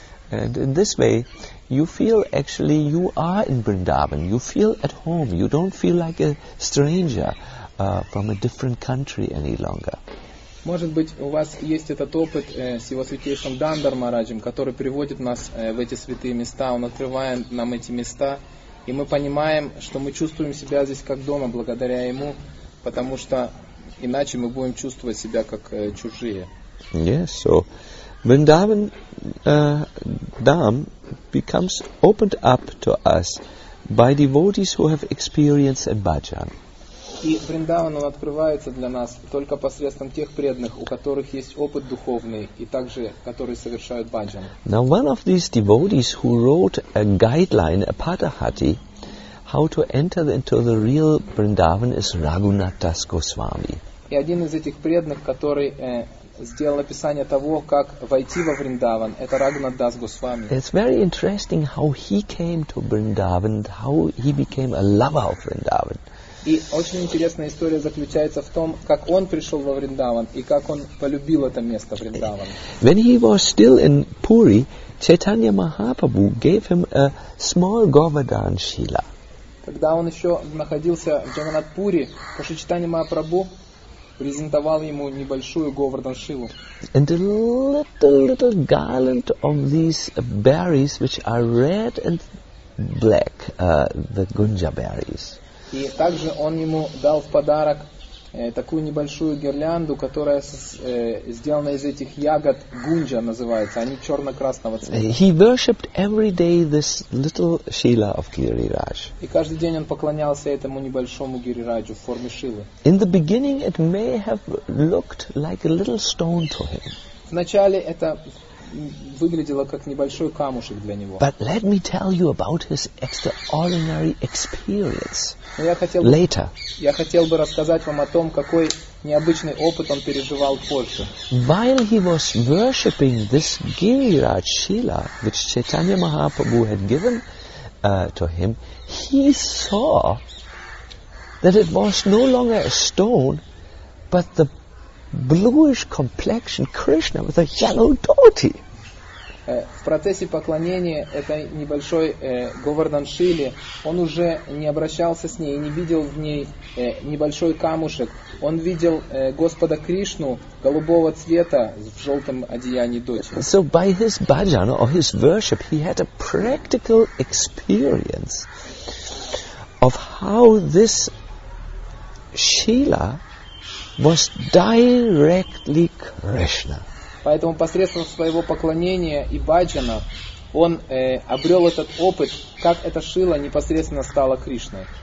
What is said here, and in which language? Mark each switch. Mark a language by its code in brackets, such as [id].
[en] And in this way, you feel actually you are in Vrindavan, you feel at home, you don't feel like a stranger from a different country any longer. [ru] Может быть, у вас есть этот опыт с его святейшим Дандар Мараджем, который приводит нас в эти святые места, он открывает нам эти места, и мы понимаем, что мы чувствуем себя здесь как дома благодаря ему, потому что иначе мы будем чувствовать себя как чужие. [en] Yes, so Vrindavan Dham becomes opened up to us by devotees who have experience in bhajan. [ru] И Вриндаван, он открывается для нас только посредством тех преданных, у которых есть опыт духовный, и также, которые совершают баджан. [en] Now, one of these devotees who wrote a guideline, a Padahati, how to enter into the real Vrindavan is Raghunath Das Goswami. [ru] И один из этих преданных, который сделал описание того, как войти во Вриндаван, это Рагхунат Дас Госвами. [en] It's very interesting how he came to Vrindavan, how he became a lover of Vrindavan. [ru] И очень интересная история заключается в том, как он пришел во Вриндаван и как он полюбил это место Вриндаван. [en] When he was still in Puri, Chaitanya Mahaprabhu gave him a small Govardhan Shila. [ru] Когда он еще находился в Джаганнатпури, Шри Чайтанья Махапрабху презентовал ему небольшую Говардхан Шилу. [en] And a little garland of these berries, which are red and black, the Gunja berries. [ru] И также он ему дал в подарок такую небольшую гирлянду, которая сделана из этих ягод, гунджа называется, они черно-красного цвета. [en] He worshipped every day this little Shila of Giriraj. [ru] И каждый день он поклонялся этому небольшому Гирираджу в форме Шилы. [en] In the beginning it may have looked like a little stone to him. [ru] Вначале это выглядело как небольшой камушек для него. [en] But let me tell you about his extraordinary experience. [ru] Я хотел бы рассказать вам о том, какой необычный опыт он переживал позже. [en] While he was worshipping this Giriraj Shila, which Chaitanya Mahaprabhu had given to him, he saw that it was no longer a stone, but the bluish complexion Krishna with a yellow dhoti. [ru] в процессе поклонения этой небольшой Говардан Шили, он уже не обращался с ней, не видел в ней небольшой камушек. Он видел Господа Кришну голубого цвета в желтом одеянии дочери. [en] So by his bhajan or his worship, he had a practical experience of how this Шила was directly Krishna. [ru] Поэтому посредством своего поклонения и баджана он обрел этот опыт, как эта шила непосредственно стала Кришной.